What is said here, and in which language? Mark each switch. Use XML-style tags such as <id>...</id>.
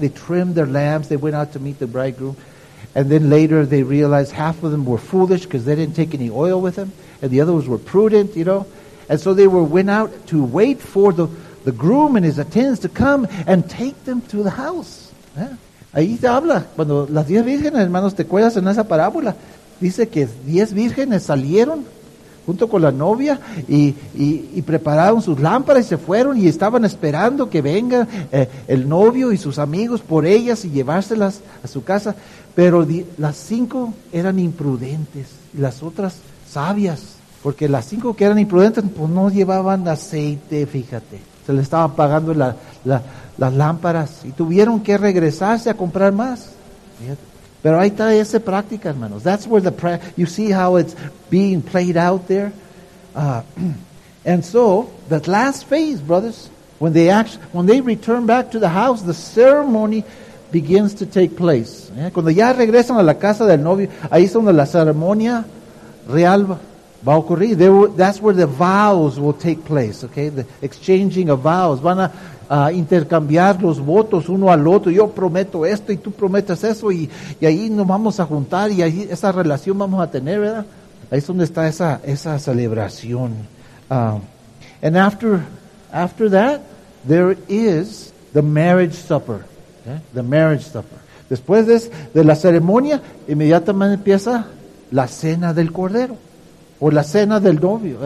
<en>They trimmed their lamps, they went out to meet the bridegroom. And then later they realized half of them were foolish because they didn't take any oil with them. And the others were prudent, you know. And so they went out to wait for the groom and his attendants to come and take them to the house.</en> <es>Ahí te habla. Cuando las 10 vírgenes, hermanos, te acuerdas en esa parábola. Dice que 10 vírgenes salieron junto con la novia y prepararon sus lámparas y se fueron y estaban esperando que venga el novio y sus amigos por ellas y llevárselas a su casa. Pero las 5 eran imprudentes y las otras sabias, porque las 5 que eran imprudentes pues no llevaban aceite, fíjate. Se les estaba apagando las lámparas y tuvieron que regresarse a comprar más. Fíjate. Pero ahí está esa práctica, hermanos.</es> <en>That's where you see how it's being played out there. And so, that last phase, brothers, when they return back to the house, the ceremony begins to take place. Yeah?</en> <es>Cuando ya regresan a la casa del novio, ahí es donde la ceremonia real va a ocurrir.</es> <en>That's where the vows will take place, okay? The exchanging of vows.</en> <es>Van a intercambiar los votos uno al otro. Yo prometo esto y tú prometes eso y ahí nos vamos a juntar y ahí esa relación vamos a tener, ¿verdad? Ahí es donde está esa celebración.</es> <en>And after that, there is the marriage supper. Okay? The marriage supper.</en> <es>Después de la ceremonia, inmediatamente empieza la cena del cordero o la cena del novio.</es>